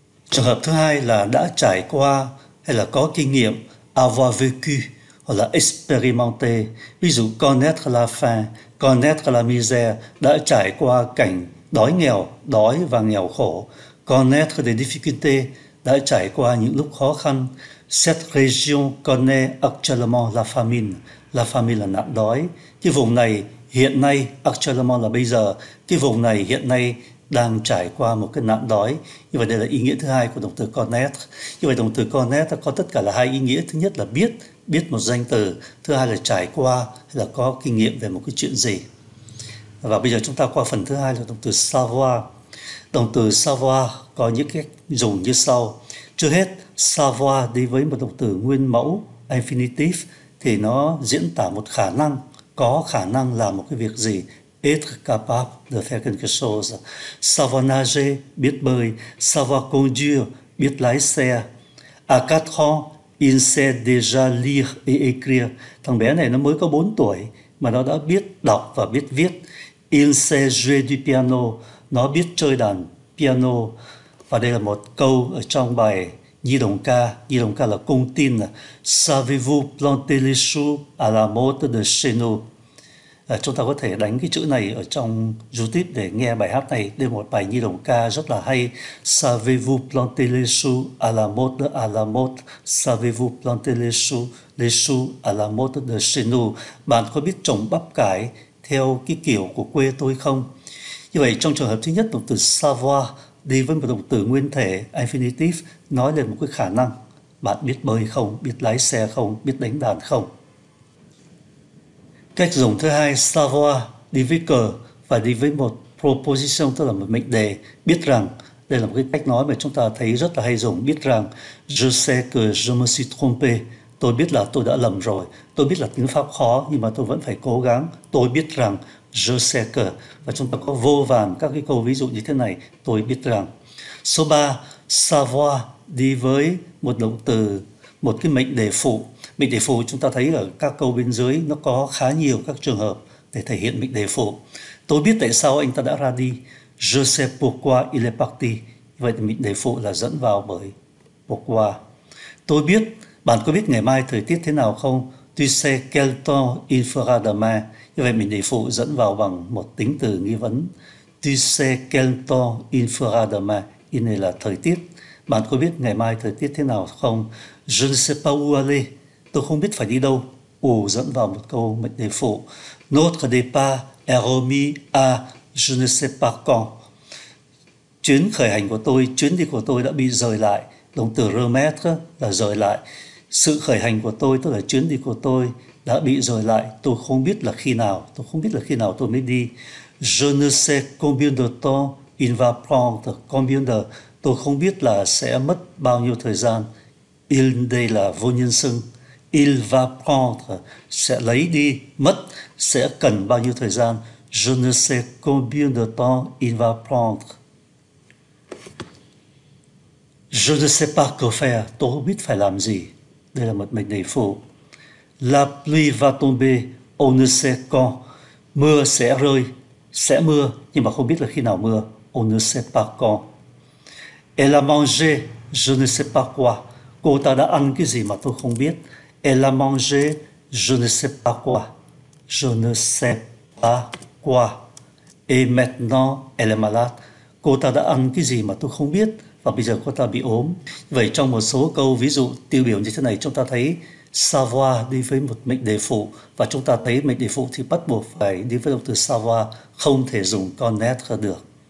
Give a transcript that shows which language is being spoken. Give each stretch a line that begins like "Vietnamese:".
Vietnamese: Trường hợp thứ hai là đã trải qua hay là có kinh nghiệm,
French: avoir vécu
Vietnamese: hoặc là expérimenté. Ví dụ,
French: connaître la faim, connaître la misère,
Vietnamese: đã trải qua cảnh đói nghèo, đói và nghèo khổ.
French: Connaître des difficultés,
Vietnamese: đã trải qua những lúc khó khăn.
French: Cette région connaît actuellement la famine.
Vietnamese: La famine là nạn đói. Cái vùng này hiện nay, actuellement là bây giờ, cái vùng này hiện nay đang trải qua một cái nạn đói. Như vậy đây là ý nghĩa thứ hai của động từ connaître. Như vậy động từ connaître có tất cả là hai ý nghĩa. Thứ nhất là biết, biết một danh từ. Thứ hai là trải qua hay là có kinh nghiệm về một cái chuyện gì. Và bây giờ chúng ta qua phần thứ hai là động từ savoir. Động từ savoir có những cách dùng như sau. Trước hết, savoir đi với một động từ nguyên mẫu, infinitive, thì nó diễn tả một khả năng, có khả năng làm một cái việc gì.
French: Être capable de faire quelque chose. Savoir nager,
Vietnamese: biết bơi.
French: Savoir conduire,
Vietnamese: biết lái xe.
French: À 4 ans, il sait déjà lire et écrire.
Vietnamese: Thằng bé này nó mới có 4 tuổi mà nó đã biết đọc và biết viết.
French: Il sait jouer du piano,
Vietnamese: nó biết chơi đàn piano. Và đây là một câu ở trong bài Nhi đồng ca. Nhi đồng ca là cung tin.
French: Savez-vous planter les choux à la mode de chez nous?
Vietnamese: Chúng ta có thể đánh cái chữ này ở trong YouTube để nghe bài hát này. Đây là một bài nhi đồng ca rất là hay.
French: Savez-vous planter les choux à la mode à la mode? Savez-vous planter les choux à la mode de chez nous?
Vietnamese: Bạn có biết trồng bắp cải theo cái kiểu của quê tôi không? Như vậy trong trường hợp thứ nhất, động từ savoir đi với một động từ nguyên thể infinitive nói lên một cái khả năng. Bạn biết bơi không? Biết lái xe không? Biết đánh đàn không? Cách dùng thứ hai, savoir đi với cờ và đi với một proposition, tức là một mệnh đề, biết rằng. Đây là một cái cách nói mà chúng ta thấy rất là hay dùng, biết rằng.
French: Je sais que je me suis trompé.
Vietnamese: Tôi biết là tôi đã lầm rồi. Tôi biết là tiếng Pháp khó nhưng mà tôi vẫn phải cố gắng. Tôi biết rằng.
French: Je sais que.
Vietnamese: Và chúng ta có vô vàn các cái câu ví dụ như thế này. Tôi biết rằng. Số 3, savoir đi với một động từ, một cái mệnh đề phụ. Mệnh đề phụ chúng ta thấy ở các câu bên dưới nó có khá nhiều các trường hợp để thể hiện mệnh đề phụ. Tôi biết tại sao anh ta đã ra đi.
French: Je sais pourquoi il est parti.
Vietnamese: Vậy thì mệnh đề phụ là dẫn vào bởi pourquoi. Tôi biết. Bạn có biết ngày mai thời tiết thế nào không?
French: Tu sais quel temps il fera demain?
Vietnamese: Như vậy mệnh đề phụ dẫn vào bằng một tính từ nghi vấn.
French: Tu sais quel temps il fera demain?
Vietnamese: Ý này là thời tiết. Bạn có biết ngày mai thời tiết thế nào không?
French: Je ne sais pas où aller.
Vietnamese: Tôi không biết phải đi đâu. Ồ, dẫn vào một câu mệnh đề phụ.
French: Notre départ est remis à je ne sais pas quand.
Vietnamese: Chuyến khởi hành của tôi, chuyến đi của tôi đã bị rời lại. Động từ remettre là rời lại. Sự khởi hành của tôi, tức là chuyến đi của tôi đã bị rời lại. Tôi không biết là khi nào, tôi không biết là khi nào tôi mới đi.
French: Je ne sais combien de temps il va prendre,
Vietnamese: combien de, tôi không biết là sẽ mất bao nhiêu thời gian. Il, đây là vô nhân xưng.
French: Il va prendre,
Vietnamese: sẽ lấy đi, mất, sẽ cần bao nhiêu thời gian.
French: Je ne sais combien de temps il va prendre. Je ne sais pas quoi faire,
Vietnamese: tôi không biết phải làm gì. Đây là một mệnh đề phụ.
French: La pluie va tomber, on ne sait quand.
Vietnamese: Mưa sẽ rơi, sẽ mưa, nhưng mà không biết là khi nào mưa.
French: On ne sait pas quand. Elle a mangé, je ne sais pas quoi.
Vietnamese: Cô ta đã ăn cái gì mà tôi không biết.
French: Elle a mangé, je ne sais pas quoi. Je ne sais pas quoi. Et maintenant, elle est malade.
Vietnamese: Cô ta đã ăn cái gì mà tôi không biết. Và bây giờ cô ta bị ốm. Vậy trong một số câu ví dụ tiêu biểu như thế này, chúng ta thấy savoir đi với một mệnh đề phụ. Và chúng ta thấy mệnh đề phụ thì bắt buộc phải đi với động từ savoir, không thể dùng connaître được.